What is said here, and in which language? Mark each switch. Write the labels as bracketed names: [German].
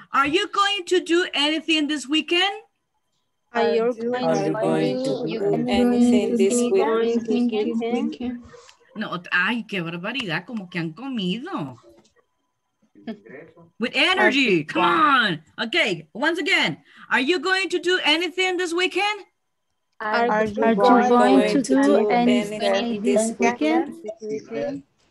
[English] Are you going to do anything this weekend? Are you going to do anything this weekend? [Spanish] No, ay, qué barbaridad, como que han comido. [English] With energy, come on. Okay, once again. Are you going to do anything this weekend? Are you going to do anything this weekend?